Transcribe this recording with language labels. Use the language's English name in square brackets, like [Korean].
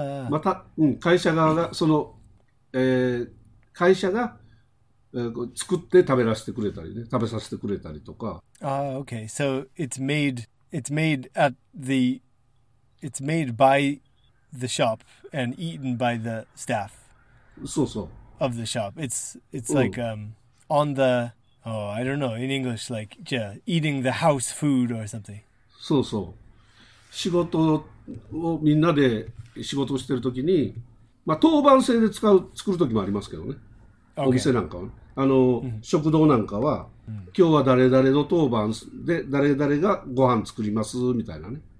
[Japanese] また、会社側がその、会社が、作って食べらせてくれたりね、食べさせてくれたりとか。 [English] Okay, so it's made by the shop and eaten by the staff [Japanese] そうそう [English] of the shop. It's like on the, oh, I don't know, in English, like yeah, eating the house food or something. [Japanese] そうそう。仕事をみんなで仕事をしてるときに、まあ、当番制で作るときもありますけどね。 [English] Okay. [Japanese] お店なんかは、ね、あの、食堂なんかは、今日は誰々の当番で誰々がご飯作りますみたいなね。